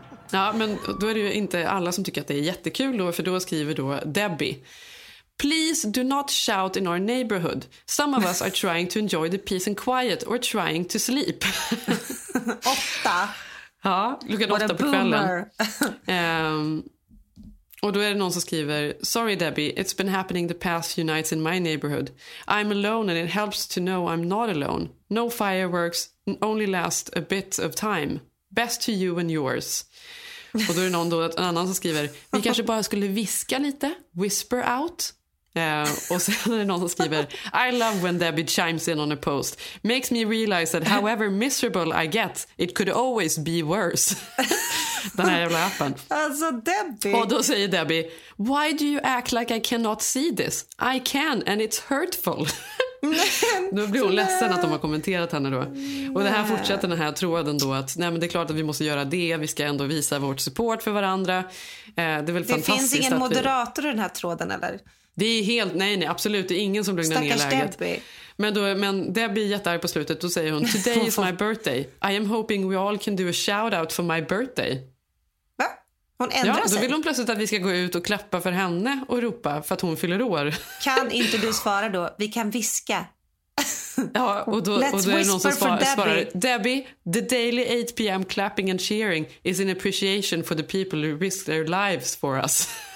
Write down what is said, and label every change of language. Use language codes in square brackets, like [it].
[sv] Ja, men då är det ju inte alla som tycker att det är jättekul då, för då skriver då Debbie: Please do not shout in our neighborhood. [en] Some of us are trying to enjoy the peace and quiet or trying to sleep. [sv] Åtta. Ja, klockan åtta på kvällen. [en] Och då är det någon som skriver: Sorry Debbie, it's been happening the past few nights in my neighborhood. I'm alone and it helps to know I'm not alone. No fireworks, only last a bit of time. Best to you and yours. [sv] Och då är det någon då, en annan som skriver: Vi kanske bara skulle viska lite, whisper out. [en] Och sen är det någon som skriver: I love when Debbie chimes in on a post. Makes me realize that however miserable I get, it could always be worse. [sv] Den här jävla appen. Alltså Debbie. [en] Och då säger Debbie: Why do you act like I cannot see this? I can and it's hurtful. [sv] Då blir hon ledsen att de har kommenterat henne då. Och det här fortsätter den här tråden då, att nej, men det är klart att vi måste göra det. Vi ska ändå visa vårt support för varandra. Det är väl det fantastiskt. Finns ingen moderator i den här tråden eller? Det är helt, nej, absolut, det är ingen som lugnar ner läget. Stackars Debbie. Men Debbie är jättearg på slutet, då säger hon: Today is my birthday. [en] I am hoping we all can do a shout out for my birthday. [sv] Va? Hon ändrar sig. Ja, då vill hon plötsligt att vi ska gå ut och klappa för henne och ropa för att hon fyller år. Kan inte du svara då? Vi kan viska. Ja, och då är det någon som svarar: Debbie, the daily 8 p.m. [en] clapping and cheering is an appreciation for the people who risk their lives for us.